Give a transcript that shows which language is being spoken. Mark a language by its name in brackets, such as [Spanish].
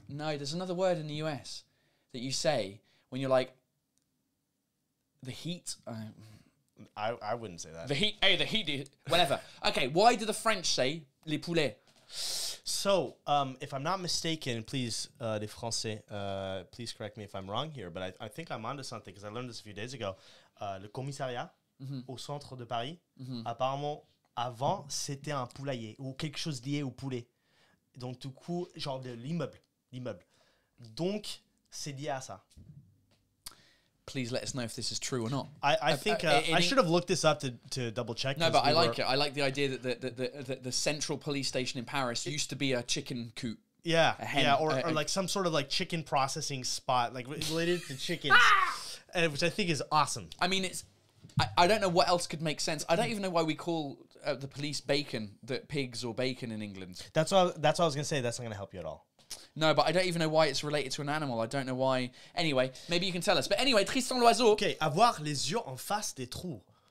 [English] No, there's another word in the US that you say when you're like, the heat. I wouldn't say that. The heat, hey, the heat, whatever. Okay, why do the French say les poulets? So, if I'm not mistaken, please, les français, please correct me if I'm wrong here, but I think I'm onto something because I learned this a few days ago. [French] Le commissariat au centre de Paris, apparemment, avant, c'était un poulailler ou quelque chose lié au poulet. Donc, du coup, genre de l'immeuble. Donc, c'est lié à ça. [English] Please let us know if this is true or not. I think I should have looked this up to double check. No, but I like it. I like the idea that the central police station in Paris used to be a chicken coop. Yeah, or like some sort of like chicken processing spot, like related to chickens, which I think is awesome. I mean, I don't know what else could make sense. I don't even know why we call the police bacon, the pigs or bacon in England. That's what I was going to say. That's not going to help you at all. No, but I don't even know why it's related to an animal. I don't know why. Anyway, maybe you can tell us. But anyway, Tristan Loiseau. [French] Okay, avoir les yeux en face des trous.